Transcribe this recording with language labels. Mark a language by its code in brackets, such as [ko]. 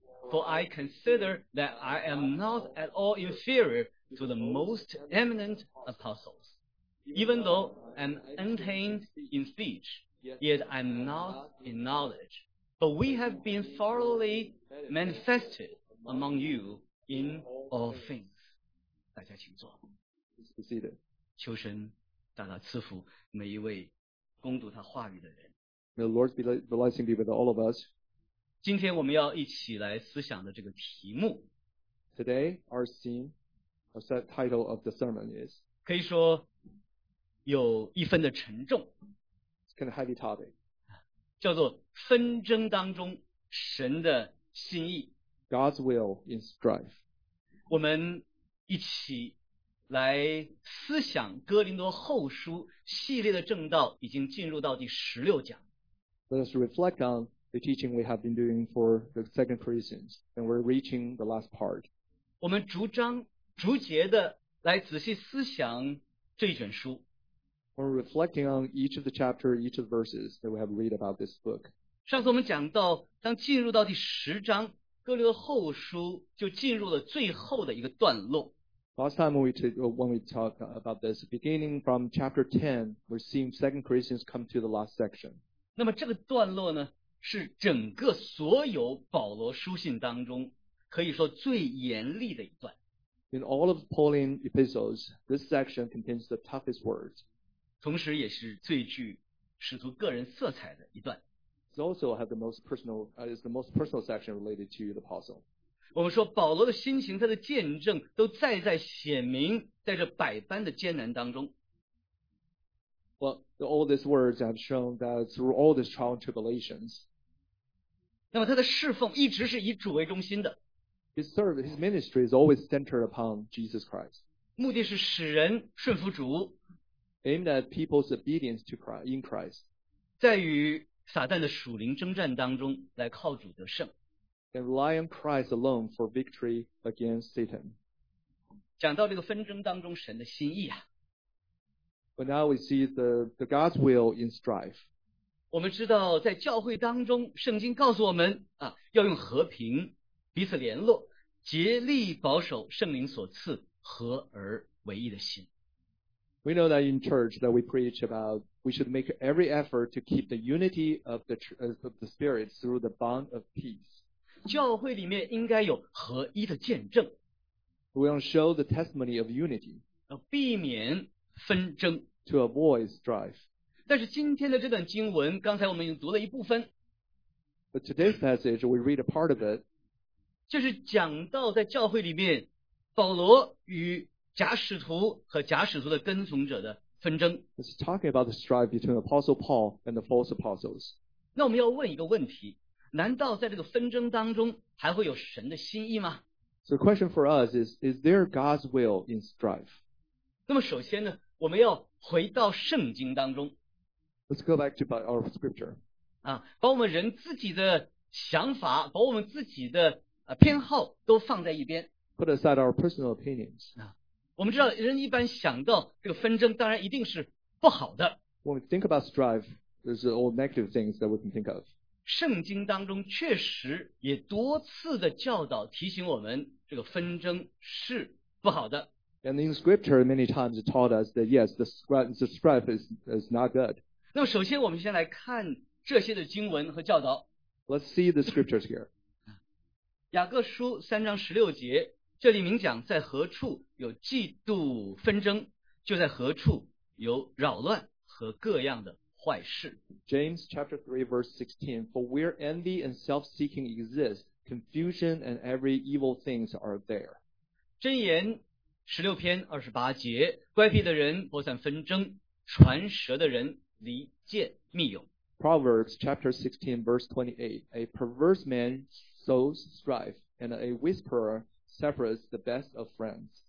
[en] For I consider that I am not at all inferior to the most eminent apostles. Even though I am untamed in speech, yet I am not in knowledge. But we have been thoroughly manifested among you in all things. [zh] 大家请坐。求神大大赐福每一位攻读他话语的人。 [en] May the Lord be blessing with all of us. [zh] 今天我们要一起来思想的这个题目。 [en] Today, our theme, our set title of the sermon is. [zh] 可以说有一分的沉重。 [en] It's kind of heavy topic. [zh] 叫做纷争当中神的心意。 [en] God's will in strife. [zh] 我们一起来思想哥林多后书系列的正道已经进入到第十六讲。 [en] Let us reflect on the teaching we have been doing for the second Corinthians, and we're reaching the last part. [zh] 我们逐章逐节的来仔细思想这一卷书。 [en] We're reflecting on each of the chapter, each of the verses that we have read about this book. [zh] 上次我们讲到，当进入到第十章，哥林多后书就进入了最后的一个段落。 [en] Last time when we talked about this, beginning from chapter 10, we're seeing 2 Corinthians come to the last section. [zh] 那么这个段落呢，是整个所有保罗书信当中可以说最严厉的一段。 [en] In all of Pauline epistles, this section contains the toughest words. [zh] 同时也是最具使徒个人色彩的一段。 [en] It's also have the most personal, is the most personal section related to the apostle. [zh] 我们说保罗的心情他的见证都再再显明在这百般的艰难当中。 [en] Well, all these words have shown that through all these trials and tribulations. [zh] 那么他的侍奉一直是以主为中心的。 [en] His ministry is always centered upon Jesus Christ. [zh] 目的是使人顺服主。 [en] Aimed at people's obedience to Christ, in Christ. [zh] 在与撒旦的属灵征战当中来靠主得胜。 [en] And rely on Christ alone for victory against Satan. [zh] 讲到这个纷争当中神的心意啊。 [en] But now we see the God's will in strife. [zh] 我们知道在教会当中圣经告诉我们啊，要用和平彼此联络竭力保守圣灵所赐合而为一的心。 [en] We know that in church that we preach about We should make every effort to keep the unity of the Spirit through the bond of peace. [zh] 教会里面应该有合一的见证。 [en] We want to show the testimony of unity. [zh] 避免纷争。 [en] To avoid strife. [zh] 但是今天的这段经文，刚才我们已经读了一部分。 [en] But today's passage, we read a part of it. [zh] 就是讲到在教会里面，保罗与假使徒和假使徒的跟从者的纷争。 [en] It's talking about the strife between Apostle Paul and the false apostles. [zh] 那我们要问一个问题，难道在这个纷争当中还会有神的心意吗？ [en] So the question for us is there God's will in strife? [zh] 那么首先呢，我们要回到圣经当中。 [en] Let's go back to our scripture. [zh] 啊，把我们人自己的想法，把我们自己的偏好都放在一边。 [en] Put aside our personal opinions. [zh] 啊，我们知道人一般想到这个纷争，当然一定是不好的。 [en] When we think about strife, there's all negative things that we can think of. [zh] 圣经当中确实也多次的教导提醒我们，这个纷争是不好的。 [en] And in scripture, many times it taught us that yes, the strife is not good. [zh] 那么首先我们先来看这些的经文和教导。 [en] Let's see the scriptures here. [zh] 雅各书三章十六节，这里明讲在何处有嫉妒纷争，就在何处有扰乱和各样的。 [en] James chapter 3 verse 16 For where envy and self-seeking exist, confusion and every evil things are there. [zh] 箴言16篇28节乖僻的人播散纷争传舌的人离间密友 [en] Proverbs chapter 16 verse 28 A perverse man sows strife and a whisperer separates the best of friends.